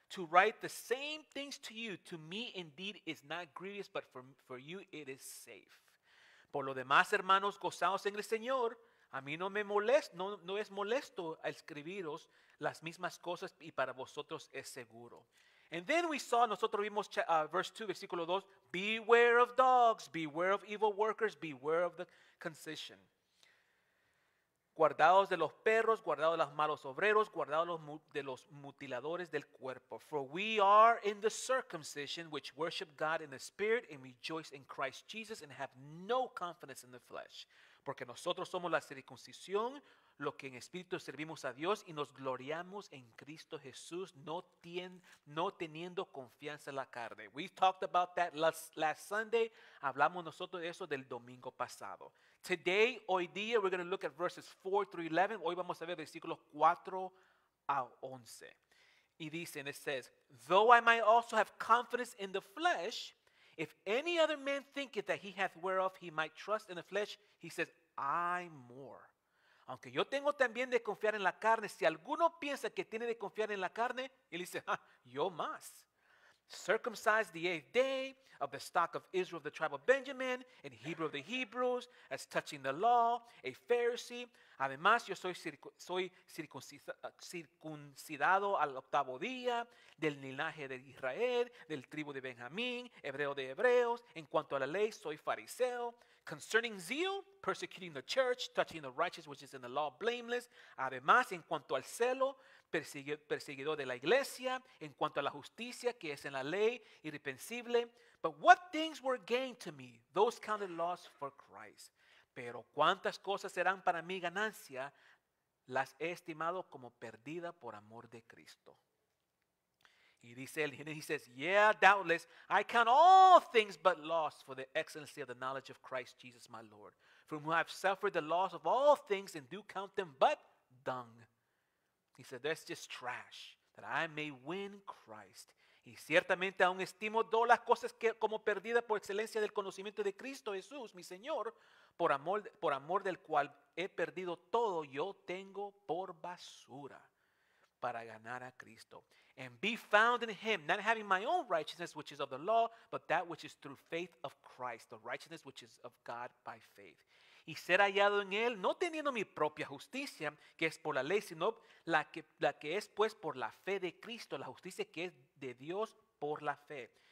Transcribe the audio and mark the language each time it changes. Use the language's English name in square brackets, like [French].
[English] To write the same things to you, to me indeed is not grievous, but for you it is safe. [Spanish] Por lo demás, hermanos, gozaos en el Señor. A mí no me molesta, no es molesto escribiros las mismas cosas y para vosotros es seguro. [English] And then we saw, [Spanish] nosotros vimos [English] verse 2, [Spanish] versículo 2, [English] beware of dogs, beware of evil workers, beware of the concision. [Spanish] Guardaos de los perros, guardaos de los malos obreros, guardaos de los mutiladores del cuerpo. [English] For we are in the circumcision which worship God in the spirit and rejoice in Christ Jesus and have no confidence in the flesh. [Spanish] Porque nosotros somos la circuncisión, lo que en espíritu servimos a Dios y nos gloriamos en Cristo Jesús, no teniendo confianza en la carne. [English] We talked about that last Sunday. [Spanish] Hablamos nosotros de eso del domingo pasado. [English] Today, [Spanish] hoy día, [English] we're going to look at verses 4 through 11. [Spanish] Hoy vamos a ver versículos 4 a 11. Y dice, [English] and it says, though I might also have confidence in the flesh, if any other man thinketh that he hath whereof he might trust in the flesh, he says, I more. [Spanish] Aunque yo tengo también de confiar en la carne, si alguno piensa que tiene de confiar en la carne, él dice, ja, yo más. [English] Circumcised the eighth day of the stock of Israel, the tribe of Benjamin, and Hebrew of the Hebrews, as touching the law, a Pharisee. [Spanish] Además, yo soy circuncidado al octavo día, del linaje de Israel, del tribu de Benjamín, hebreo de hebreos. En cuanto a la ley, soy fariseo. [English] Concerning zeal, persecuting the church, touching the righteous, which is in the law, blameless. [Spanish] Además, en cuanto al celo, perseguidor de la iglesia. En cuanto a la justicia, que es en la ley, irreprensible. [English] But what things were gained to me, those counted loss for Christ. [Spanish] Pero cuántas cosas serán para mí ganancia, las he estimado como perdida por amor de Cristo. Y dice él, [English] and he says, yeah, doubtless, I count all things but loss for the excellency of the knowledge of Christ Jesus my Lord, from whom I have suffered the loss of all things and do count them but dung. He said, that's just trash, that I may win Christ. [Spanish] Y ciertamente aún estimo todas las cosas que, como perdida por excelencia del conocimiento de Cristo Jesús, mi Señor, por amor del cual he perdido todo, yo tengo por basura para ganar a Cristo. [English] And be found in him, not having my own righteousness, which is of the law, but that which is through faith of Christ, the righteousness which is of God by faith. [Spanish] Y ser hallado en él, no teniendo mi propia justicia, que es por la ley, sino la que es pues por la fe de Cristo, la justicia que es de Dios por la fe.